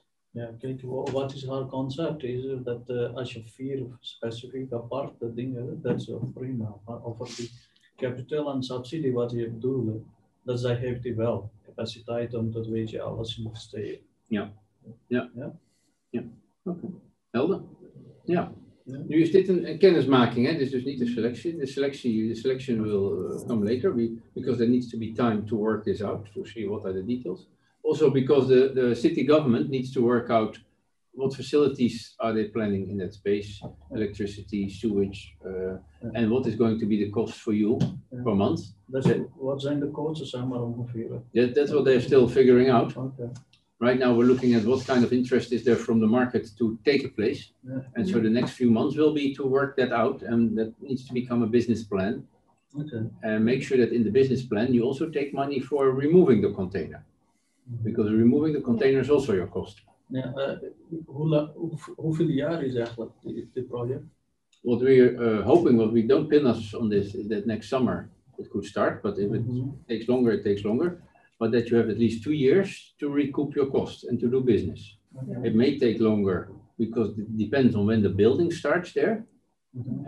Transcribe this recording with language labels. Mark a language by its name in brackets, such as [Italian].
[Dutch] Ja, kijk, wat is haar concept? Is dat als je vier specifiek aparte dingen, dat is prima. Maar over die kapitaal en subsidie, wat je bedoelt, dat zij heeft die wel capaciteit om dat, weet je, alles in te steken. Ja. Ja, ja, ja. Okay. Helder. Ja. Nu is dit een kennismaking, hè? Dit is dus niet een selectie. [English] De selection will come later, because there needs to be time to work this out, to see what are the details. Also because the city government needs to work out what facilities are they planning in that space, electricity, sewage, and what is going to be the cost for you per month. [Dutch] What zijn de kosten samen ongeveer? [English] That's what they're still figuring out. Okay. Right now we're looking at what kind of interest is there from the market to take a place. Yeah. And so the next few months will be to work that out, and that needs to become a business plan. Okay. And make sure that in the business plan you also take money for removing the container. Mm-hmm. Because removing the container is also your cost. Yeah. [Dutch] Hoeveel jaar is eigenlijk dit project? [English] What we're hoping, what we don't pin us on this, is that next summer it could start, but if it takes longer, it takes longer. But that you have at least 2 years to recoup your cost and to do business. Okay. It may take longer because it depends on when the building starts there. Mm-hmm.